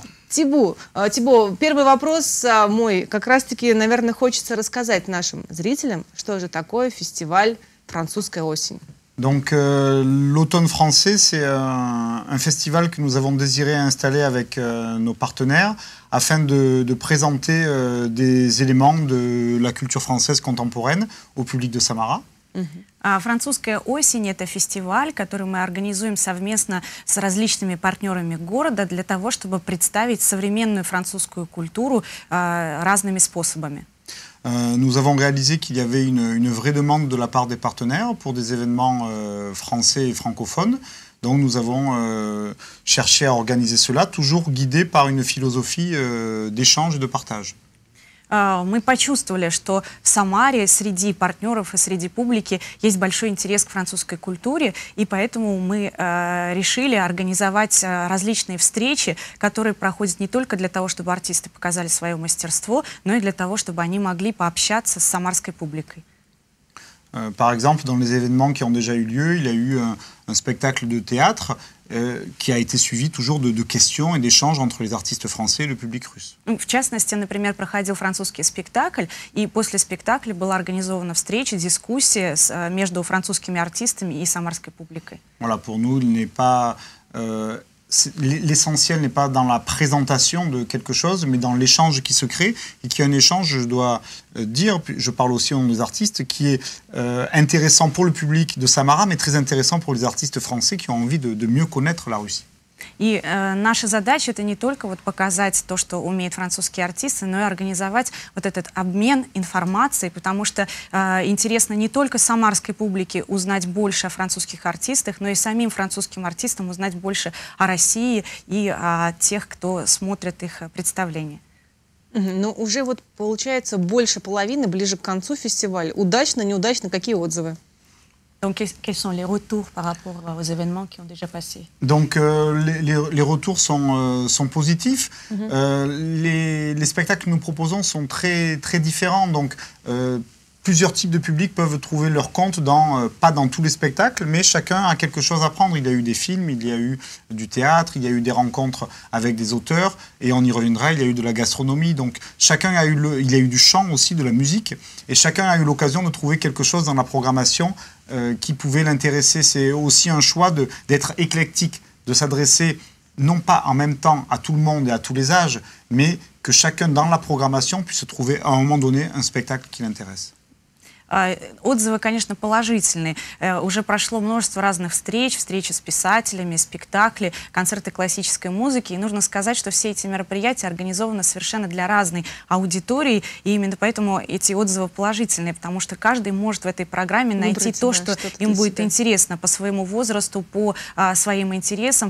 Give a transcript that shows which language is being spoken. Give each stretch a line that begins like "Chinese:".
Russian: Тибо, первый вопрос мой. Как раз-таки, наверное, хочется рассказать нашим зрителям, что же такое фестиваль «Французская осень».
French: Donc, l'automne français, c'est un festival que nous avons désiré installer avec nos partenaires afin de présenter des éléments de la culture française contemporaine au public de Самара.
Russian: «Французская осень» — это фестиваль, который мы организуем совместно с различными партнерами города для того, чтобы представить современную французскую культуру разными способами.
French: Nous avons réalisé qu'il y avait une vraie demande de la part des partenaires pour des événements français et francophones. Donc nous avons cherché à organiser cela, toujours guidé par une philosophie d'échange et de partage.
Russian: Мы почувствовали, что в Самаре среди партнеров и среди публики есть большой интерес к французской культуре, и поэтому мы решили организовать различные встречи, которые проходят не только для того, чтобы артисты показали свое мастерство, но и для того, чтобы они могли пообщаться с самарской публикой.
French: Par exemple, dans les événements qui ont déjà eu lieu, il y a eu un spectacle de théâtre qui a été suivi toujours de questions et d'échanges entre les artistes français et le public russe.
Russian: В частности, например, проходил французский спектакль, и после спектакля была организована встреча, дискуссия между французскими артистами и самарской публикой.
French: Voilà, pour nous, il n'est pas l'essentiel n'est pas dans la présentation de quelque chose, mais dans l'échange qui se crée, et qui est un échange, je dois dire, je parle aussi au nom des artistes, qui est intéressant pour le public de Самара, mais très intéressant pour les artistes français qui ont envie de mieux connaître la Russie.
Russian: И наша задача – это не только вот показать то, что умеют французские артисты, но и организовать вот этот обмен информацией, потому что интересно не только самарской публике узнать больше о французских артистах, но и самим французским артистам узнать больше о России и о тех, кто смотрит их представления. Ну, уже вот получается больше половины, ближе к концу фестиваля. Удачно, неудачно, какие отзывы?
French: Donc, quels sont les retours par rapport aux événements qui ont déjà passé? Donc, les retours sont positifs. Mm-hmm. Les spectacles que nous proposons sont très, très différents. Donc, plusieurs types de publics peuvent trouver leur compte, pas dans tous les spectacles, mais chacun a quelque chose à prendre. Il y a eu des films, il y a eu du théâtre, il y a eu des rencontres avec des auteurs, et on y reviendra, il y a eu de la gastronomie. Donc, chacun a eu il y a eu du chant aussi, de la musique, et chacun a eu l'occasion de trouver quelque chose dans la programmation qui pouvait l'intéresser. C'est aussi un choix d'être éclectique, de s'adresser non pas en même temps à tout le monde et à tous les âges, mais que chacun dans la programmation puisse trouver à un moment donné un spectacle qui l'intéresse.
Russian: Отзывы, конечно, положительные. Уже прошло множество разных встреч, встречи с писателями, спектакли, концерты классической музыки. И нужно сказать, что все эти мероприятия организованы совершенно для разной аудитории. И именно поэтому эти отзывы положительные, потому что каждый может в этой программе найти то, что им будет интересно по своему возрасту, по своим интересам.